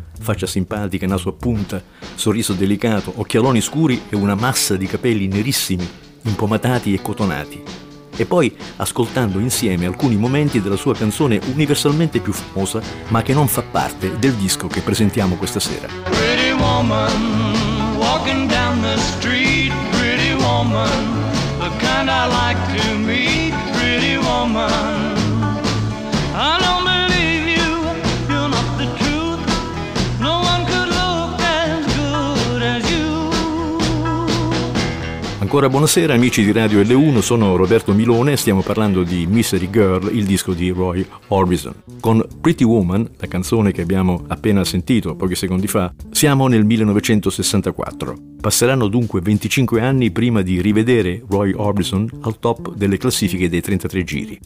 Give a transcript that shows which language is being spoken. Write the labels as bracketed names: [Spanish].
[Italian] Faccia simpatica, naso a punta, sorriso delicato, occhialoni scuri e una massa di capelli nerissimi, impomatati e cotonati. E poi ascoltando insieme alcuni momenti della sua canzone universalmente più famosa, ma che non fa parte del disco che presentiamo questa sera. [English] Pretty woman, walking down the street, pretty woman. The kind I like to meet, pretty woman. I don't believe you, you're not the truth. No one could look as good as you. [Italian] Ancora buonasera amici di Radio L1, sono Roberto Milone e stiamo parlando di Mystery Girl, il disco di Roy Orbison. Con Pretty Woman, la canzone che abbiamo appena sentito pochi secondi fa, siamo nel 1964. Passeranno dunque 25 anni prima di rivedere Roy Orbison al top delle classifiche dei 33 giri.